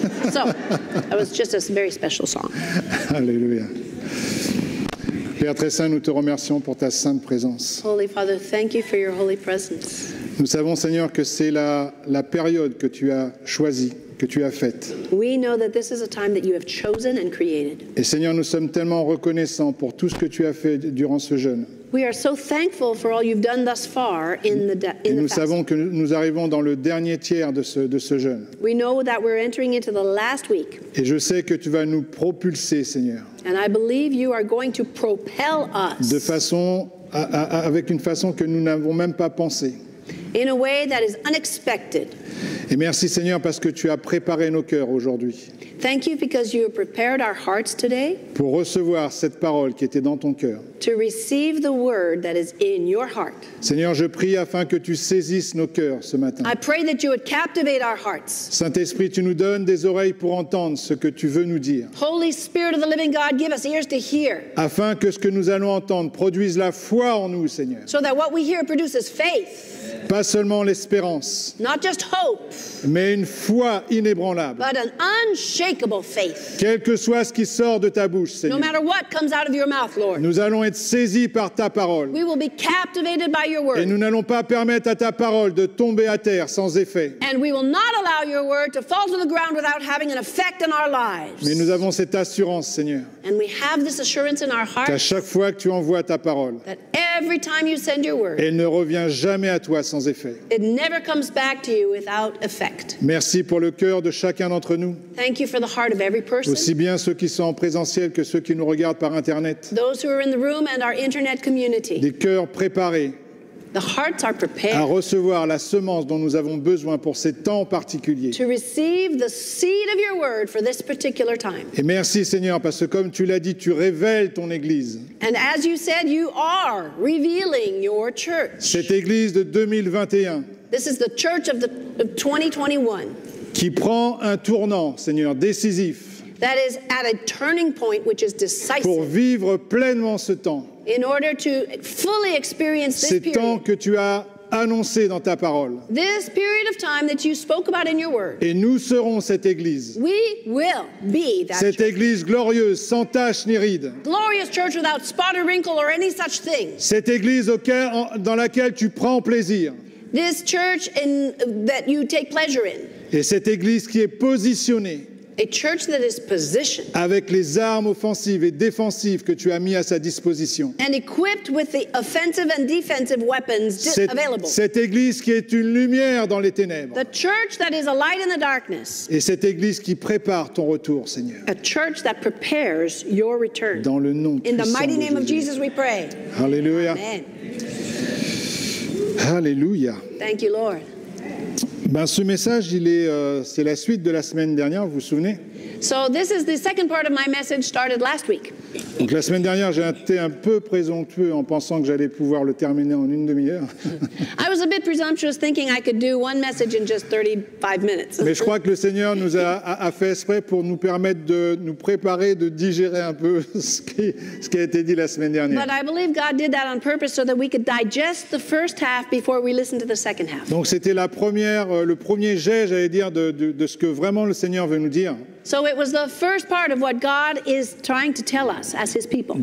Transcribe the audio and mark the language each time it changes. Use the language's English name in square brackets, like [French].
[English] So, that was just a very special song. [French] Alléluia. Père très saint, nous te remercions pour ta sainte présence. [English] Holy Father, thank you for your holy presence. [French] Nous savons, Seigneur, que c'est la période que tu as choisie, que tu as faite. [English] We know that this is a time that you have chosen and created. [French] Et Seigneur, nous sommes tellement reconnaissants pour tout ce que tu as fait durant ce jeûne. [English] We are so thankful for all you've done thus far in the fast. [French] Et nous savons que nous arrivons dans le dernier tiers de ce jeûne. [English] We know that we're entering into the last week. [French] Et je sais que tu vas nous propulser, Seigneur. [English] And I believe you are going to propel us. [French] De façon avec une façon que nous n'avons même pas pensé. [English] In a way that is unexpected. [French] Et merci, Seigneur, parce que tu as préparé nos cœurs aujourd'hui. [English] Thank you because you have prepared our hearts today. [French] Pour recevoir cette parole qui était dans ton cœur. [English] To receive the word that is in your heart. [French] Seigneur, je prie afin que tu saisisses nos cœurs ce matin. [English] I pray that you would captivate our hearts. [French] Saint-Esprit, tu nous donnes des oreilles pour entendre ce que tu veux nous dire. [English] Holy Spirit of the living God, give us ears to hear. [French] Afin que ce que nous allons entendre produise la foi en nous, Seigneur. [English] So that what we hear produces faith. [French] Pas seulement l'espérance. [English] Not just hope. [French] Mais une foi inébranlable. [English] But an unshakable faith. [French] Quel que soit ce qui sort de ta bouche, Seigneur. [English] No matter what comes out of your mouth, Lord. [French] Nous allons être saisis par ta parole. [English] We will be captivated by your word. [French] Et nous n'allons pas permettre à ta parole de tomber à terre sans effet. [English] And we will not allow your word to fall to the ground without having an effect in our lives. [French] Mais nous avons cette assurance, Seigneur. [English] And we have this assurance in our hearts. [French] Qu'à chaque fois que tu envoies ta parole. [English] That every time you send your word. [French] Elle ne revient jamais à toi sans effet. [English] It never comes back to you without effect. [French] Merci pour le cœur de chacun d'entre nous. [English] Thank you for the heart of every person. [French] Aussi bien ceux qui sont en présentiel que ceux qui nous regardent par Internet. [English] Those who are in the room and our Internet community. [French] Des cœurs préparés. [English] The hearts are prepared. [French] À recevoir la semence dont nous avons besoin pour ces temps particuliers. [English] To receive the seed of your word for this particular time. [French] Et merci, Seigneur, parce que comme tu l'as dit, tu révèles ton Église. [English] And as you said, you are revealing your church. [French] Cette Église de 2021. [English] This is the church of 2021. [French] Qui prend un tournant, Seigneur, décisif. [English] That is at a turning point which is decisive. [French] Pour vivre pleinement ce temps. [English] In order to fully experience this period. [French] Ces temps que tu as annoncé dans ta parole. [English] This period of time that you spoke about in your word. [French] Et nous serons cette église. [English] We will be that [French] cette [English] church. [French] Église glorieuse sans tache ni ride. [English] Glorious church without spot or wrinkle or any such thing. [French] Cette église dans laquelle tu prends plaisir. [English] This church that you take pleasure in. [French] Et cette église qui est positionnée. [English] A church that is positioned. [French] Avec les armes offensives et défensives que tu as mis à sa disposition. [English] And equipped with the offensive and defensive weapons available. [French] Cette église qui est une lumière dans les ténèbres. [English] The church that is a light in the darkness. [French] Et cette église qui prépare ton retour, Seigneur. [English] A church that prepares your return. [French] Dans le nom puissant de Jésus. [English] In the mighty name of Jesus we pray. [French] Alléluia. Alléluia. [English] Thank you, Lord. [French] Ben, ce message, c'est la suite de la semaine dernière, vous vous souvenez? [English] So this is the second part of my message started last week. [French] Donc la semaine dernière, j'ai été un peu présomptueux en pensant que j'allais pouvoir le terminer en une demi-heure. [English] I was a bit presumptuous thinking I could do one message in just 35 minutes. [French] Mais je crois que le Seigneur nous a fait exprès pour nous permettre de nous préparer, de digérer un peu ce qui a été dit la semaine dernière. [English] But I believe God did that on purpose so that we could digest the first half before we listen to the second half. [French] Donc c'était le premier jet, j'allais dire, de ce que vraiment le Seigneur veut nous dire. [English] So it was the first part of what God is trying to tell us as his people.